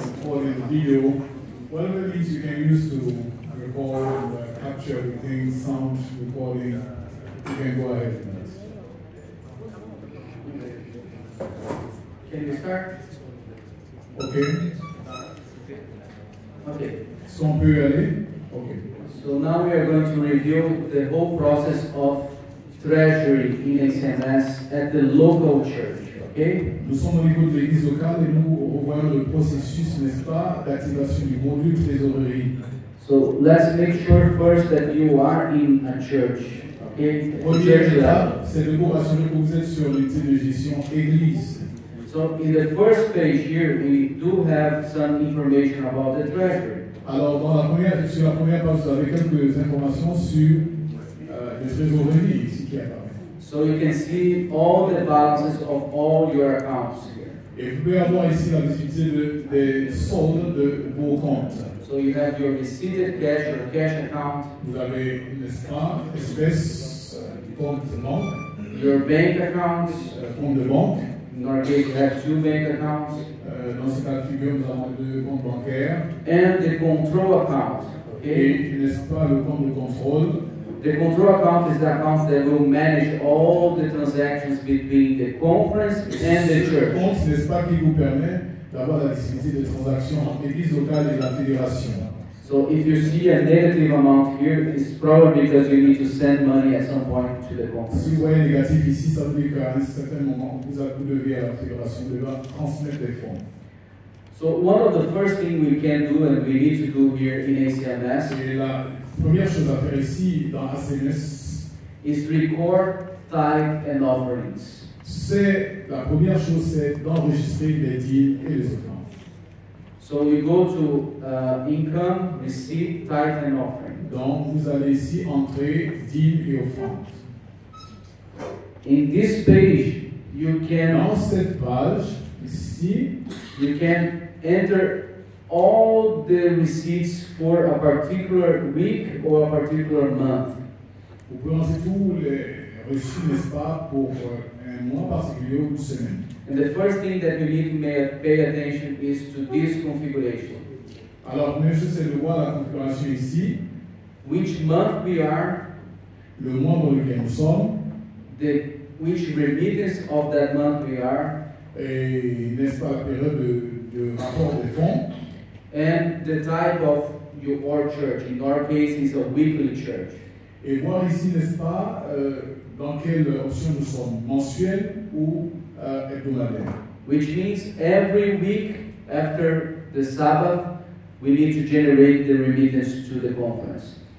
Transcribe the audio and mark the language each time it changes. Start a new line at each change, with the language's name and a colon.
English: For the video, whatever means you can use to record, capture everything, sound recording, you can go ahead with that. Can you start?
French: Okay. So, on peut y aller? Okay.
English: So now we are going to review the whole process of treasury in ACMS at the local church.
French: Nous sommes au niveau de l'église locale et nous revoyons le processus, n'est-ce pas, d'activation du module trésorerie.
English: So let's make sure first that you are in a church.
French: Première étape, c'est de vous rassurer que vous êtes sur l'unité de gestion église.
English: So in the first page here, we do have some information about the treasury.
French: Alors dans la première, sur la première page, vous avez quelques informations sur le trésorerie ici qui apparaît.
English: So you can see all the balances of all your accounts here.
French: Et vous pouvez avoir ici la visibilité des soldes de vos comptes.
English: So you have your receipted cash, your cash account.
French: Vous avez, n'est-ce pas, espèces, compte de banque.
English: Your bank accounts.
French: Compte de banque.
English: In our case, you have two bank accounts.
French: Dans ce cas de figure, nous avons deux comptes bancaires.
English: And the control account.
French: Et, n'est-ce pas, le compte de contrôle.
English: The control account is the account that will manage all the transactions between the conference and the church.
French: Ce compte, n'est-ce pas, qui vous permet d'avoir la visibilité des transactions entre l'église locale et la fédération.
English: So if you see a negative amount here, it's probably because you need to send money at some point to the conference.
French: Si vous voyez négatif ici, ça veut dire qu'à un certain moment, vous devez à la fédération devoir transmettre des fonds.
English: So one of the first things we can do and we need to do here in ACMS.
French: Première chose à faire ici dans ACMS
English: is record tithe and offerings.
French: C'est la première chose, c'est d'enregistrer les dîmes et les offrandes.
English: So you go to income, receipt, tithe and offering.
French: Donc vous allez ici entrer dîmes et offrandes.
English: In this page, you can.
French: Dans cette page ici,
English: you can enter all the receipts for a particular week or a particular month.
French: Vous pouvez entrer tous les reçus, n'est-ce pas, pour un mois particulier ou une semaine.
English: And the first thing that you need to pay attention is to this configuration.
French: Alors, la première chose, c'est de voir la configuration ici.
English: Which month we are.
French: Le mois dans lequel nous sommes.
English: Which remittance of that month we are.
French: Et, n'est-ce pas, la période de rapport des fonds.
English: And the type of your church. In our case, it's a weekly church.
French: Et voir ici, n'est-ce pas, dans quelle option nous sommes, mensuel ou hebdomadaire.
English: Which means every week after the Sabbath, we need to generate the remittance to the conference.